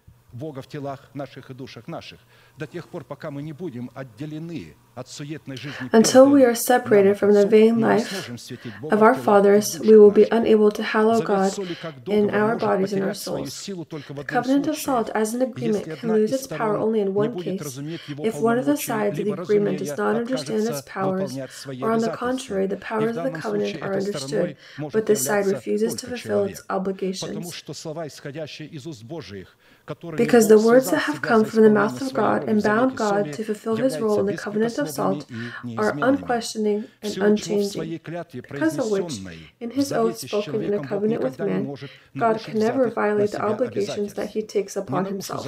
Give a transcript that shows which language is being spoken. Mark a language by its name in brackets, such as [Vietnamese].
[Russian] Бога в телах наших и душах наших до тех пор, пока мы не будем отделены от суетной жизни. [English] Until we are separated from the vain life of our fathers, we will be unable to hallow God in our bodies and our souls. The covenant of salt as an agreement can lose its power only in one case. If one of the sides of the agreement does not understand its powers, or on the contrary, the powers of the covenant are understood, but this side refuses to fulfill its obligations. [Russian] Потому что слова, исходящие из уст Божиих, [English] because the words that have come from the mouth of God and bound God to fulfill his role in the covenant of salt are unquestioning and unchanging, because of which, in his oath spoken in a covenant with man, God can never violate the obligations that he takes upon himself.